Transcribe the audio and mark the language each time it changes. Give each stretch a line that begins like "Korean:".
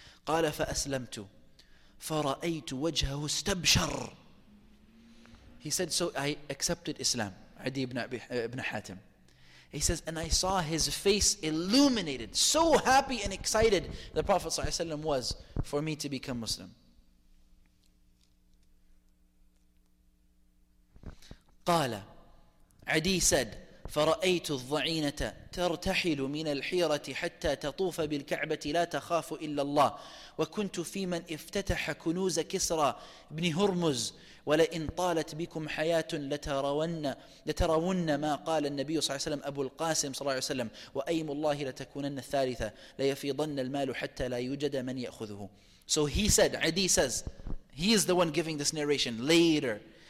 Arabic: قَالَ فَأَسْلَمْتُ فَرَأَيْتُ وَجْهَهُ اسْتَبْشَرُ.
English: He said, so I accepted Islam. Adi ibn Hatim. He says, and I saw his face illuminated. So happy and excited the Prophet sallallahu alaihi wasallam was for me to become Muslim.
Arabic: قَالَ
English: Adi said,
Arabic: فرأيت الضعينة ترتحل من الحيرة حتى تطوف بالكعبة لا تخاف إلا الله وكنت في من افتتح كنوز كسرى بن هرمز ولئن طالت بكم حياة لترون ما قال النبي صلى الله عليه وسلم أبو القاسم صلى الله عليه وسلم وأيم الله لتكونن الثالثة ليفيضن المال حتى لا يوجد من يأخذه.
English: So he said, Adi says, he is the one giving this narration later.